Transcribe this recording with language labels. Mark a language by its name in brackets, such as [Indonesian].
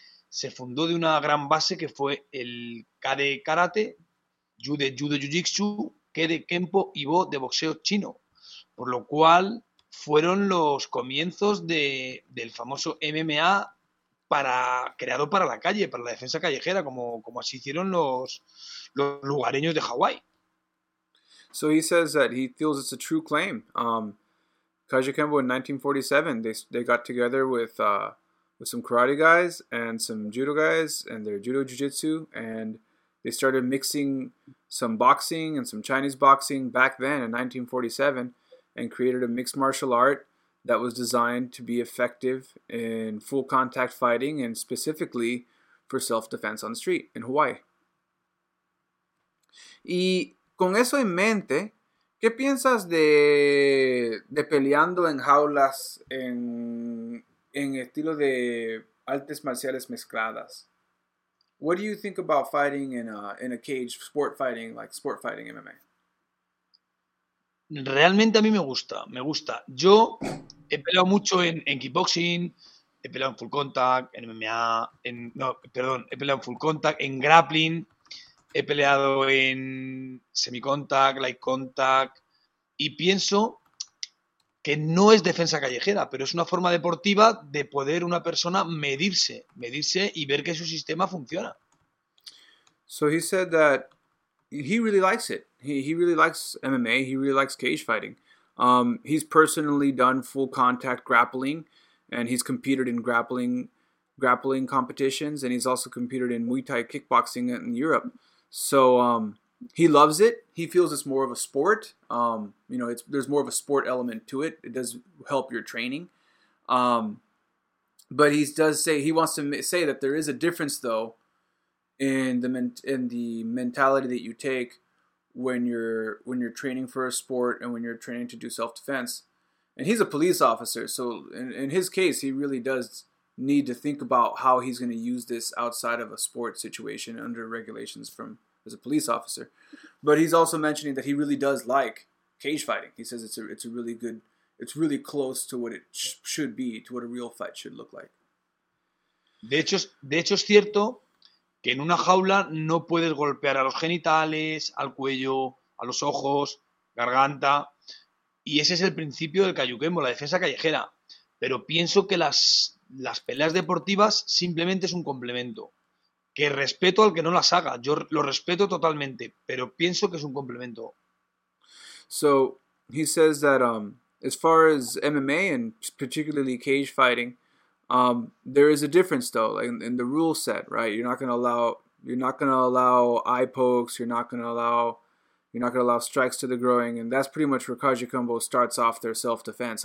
[Spanish] se fundó de una gran base que fue el K de karate, Yu de judo jiu-jitsu, Ke de kempo y Bo de boxeo chino, por lo cual fueron los comienzos del famoso MMA creado para la calle, para la defensa callejera, como así hicieron los lugareños de Hawái. [English] So he says that he feels it's a true claim. Cayuquembo in 1947, they got together with some karate guys and some judo guys and their judo jiu-jitsu, and they started mixing some boxing and some Chinese boxing back then in 1947 and created a mixed martial art that was designed to be effective in full contact fighting and specifically for self-defense on the street in Hawaii. [Spanish] Y con eso en mente, ¿qué piensas de peleando en jaulas en estilo de artes marciales mezcladas? [English] What do you think about fighting in a cage, sport fighting, like sport fighting MMA? [Spanish] Realmente a mí me gusta. Yo he peleado mucho en kickboxing, he peleado en full contact, en MMA, he peleado en full contact, en grappling, he peleado en semi-contact, light contact, y pienso que no es defensa callejera, pero es una forma deportiva de poder una persona medirse y ver que su sistema funciona. [English] So he said that he really likes it. He really likes MMA. He really likes cage fighting. He's personally done full contact grappling, and he's competed in grappling competitions, and he's also competed in Muay Thai kickboxing in Europe. So he loves it. He feels it's more of a sport. There's more of a sport element to it. It does help your training. But he does say he wants to say that there is a difference, though, in the mentality that you take when you're training for a sport and when you're training to do self-defense. And he's a police officer, so in his case, he really does need to think about how he's going to use this outside of a sport situation under regulations from as a police officer. But he's also mentioning that he really does like cage fighting. He says it's a really good, it's really close to what it should be, to what a real fight should look like. [Spanish] De hecho es cierto que en una jaula no puedes golpear a los genitales, al cuello, a los ojos, garganta. Y ese es el principio del Kayukenbo, la defensa callejera. Pero pienso que las peleas deportivas simplemente es un complemento. Que respeto al que no las haga. Yo lo respeto totalmente, pero pienso que es un complemento. [English] So, he says that as far as MMA and particularly cage fighting, there is a difference, though, in the rule set, right? You're not gonna allow eye pokes. You're not gonna allow strikes to the groin, and that's pretty much where Kajukenbo starts off their self defense.